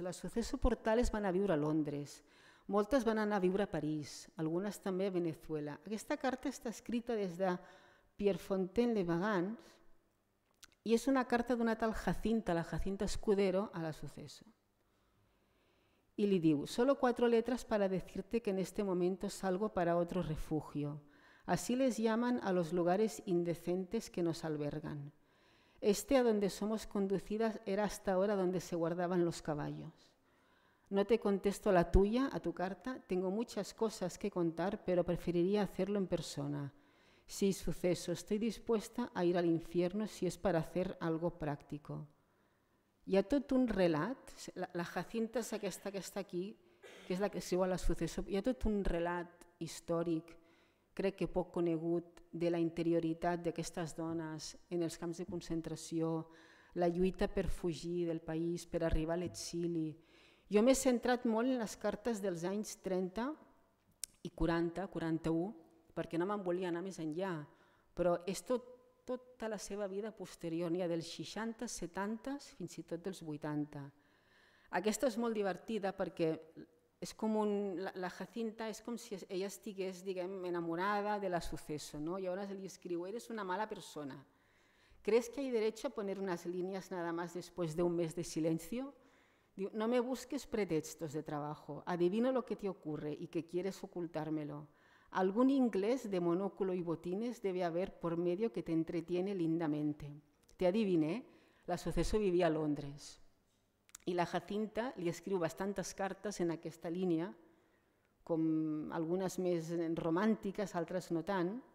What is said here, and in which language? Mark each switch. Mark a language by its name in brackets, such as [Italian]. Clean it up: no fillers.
[Catalan] Les Suceso Portales van a viure a Londres, moltes van anar a viure a París, algunes també a Venezuela. Aquesta carta està escrita des de Pierrefontaine-les-Vergnes i és una carta d'una tal Jacinta, la Jacinta Escudero, a la Suceso. [Spanish] Y le digo, solo cuatro letras para decirte que en este momento salgo para otro refugio. Así les llaman a los lugares indecentes que nos albergan. Este a donde somos conducidas era hasta ahora donde se guardaban los caballos. No te contesto la tuya, a tu carta. Tengo muchas cosas que contar, pero preferiría hacerlo en persona. Sí, Suceso, estoy dispuesta a ir al infierno si es para hacer algo práctico. [Catalan] Hi ha tot un relat, la Jacinta és aquesta que està aquí, que és la que escriu a la Suceso, hi ha tot un relat històric, crec que poc conegut, de la interioritat d'aquestes dones en els camps de concentració, la lluita per fugir del país, per arribar a l'exili. Jo m'he centrat molt en les cartes dels anys 30 i 40, 41, perquè no me'n volia anar més enllà, però és tot, tota la seva vida posterior, n'hi ha dels 60, 70, fins i tot dels 80. Aquesta és molt divertida perquè és com la Jacinta és com si ella estigués, diguem, enamorada de la Suceso, no? Llavors li escriu, [Spanish] eres una mala persona. ¿Crees que hay derecho a poner unas líneas nada más después de un mes de silencio? Diu, no me busques pretextos de trabajo, adivino lo que te ocurre y que quieres ocultármelo. Algún inglés de monóculo y botines debe haber por medio que te entretiene lindamente. Te adiviné, la Suceso vivía a Londres. [Catalan] Y la Jacinta li escriu bastantes cartes en aquesta línia, com algunes més romàntiques, altres no tant.